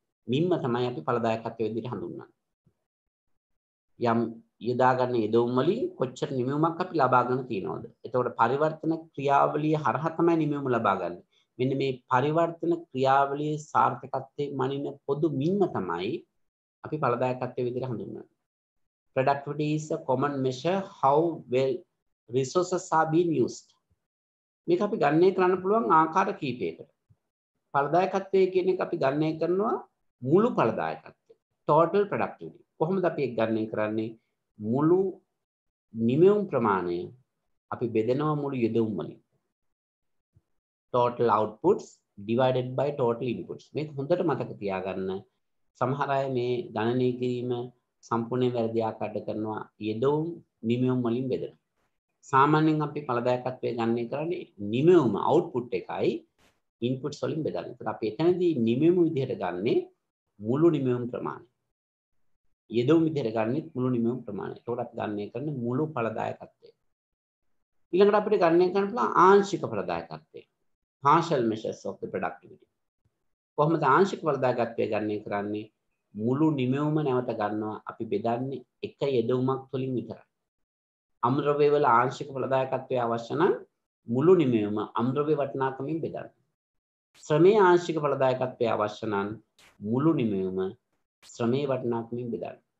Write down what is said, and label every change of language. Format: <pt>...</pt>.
<si>මිමම තමයි අපි ඵලදායකත්වය විදිහට හඳුන්වන්නේ. යම් යොදා ගන්න යෙදවුම් වලින් කොච්චර නිමුමක් අපි ලබා ගන්න තියෙනවද? එතකොට පරිවර්තන ක්‍රියාවලිය හරහා තමයි නිමුම ලබා ගන්න. මෙන්න මේ පරිවර්තන ක්‍රියාවලියේ සාර්ථකත්වයේ මනින පොදු මිම තමයි අපි ඵලදායකත්වයේ විදිහට හඳුන්වන්නේ.</si> <en>Productivity is a common measure how well resources are being used.</en> <si>මේක අපි ගන්නේ කරන්න පුළුවන් ආකාර කීපයකට. ඵලදායකත්වය කියන එක අපි ගන්නේ කරනවා මුළු ඵලදායකත්වය. Total productivity. කොහොමද අපි ඒක ගන්නේ කරන්නේ? මුළු නිමෙවුම් ප්‍රමාණය අපි බෙදෙනවා මුළු යෙදවුම් වලින්.</si> <en>Total outputs divided by total inputs.</en> <si>මේක හොඳට මතක තියාගන්න. සමහර අය මේ ගණනය කිරීම සම්පූර්ණයෙන් වැරදි ආකාරයට කරනවා. යෙදවුම් නිමෙවුම් වලින් බෙදෙනවා. සාමාන්‍යයෙන් අපි ඵලදායකත්වය ගන්නේ කරන්නේ නිමෙවුම output එකයි inputs වලින් බෙදන්නේ. ඒත් අපි එතනදී නිමෙවුම විදිහට ගන්නේ මුළු නිමෙවුම් ප්‍රමාණය. යෙදවුම් විදිහට ගන්නෙත් මුළු නිමෙවුම් ප්‍රමාණය. ඒකට අපි ගන්නේ කරන්නේ මුළු ඵලදායකත්වය. ඊළඟට අපිට ගන්නේ කරන්න පුළුවන් ආංශික ඵලදායකත්වය.</si> <en>Partial measures of the productivity.</en> <si>කොහොමද ආංශික ඵලදායකත්වය ගන්නෙ කරන්නේ? මුළු නිමෙවුම නැවත ගන්නවා අපි බෙදන්නේ එක යෙදවුමක් තුළින් විතරයි. අමුද්‍රව්‍ය වල ආංශික ඵලදායකත්වය අවශ්‍ය නම් මුළු නිමෙවුම අමුද්‍රව්‍ය වටිනාකමින් බෙදන්න. ශ්‍රමයේ ආංශික ඵලදායකත්වය අවශ්‍ය නම් මුළු නිමෙවුම ශ්‍රමයේ වටිනාකමින් බෙදන්න.</si>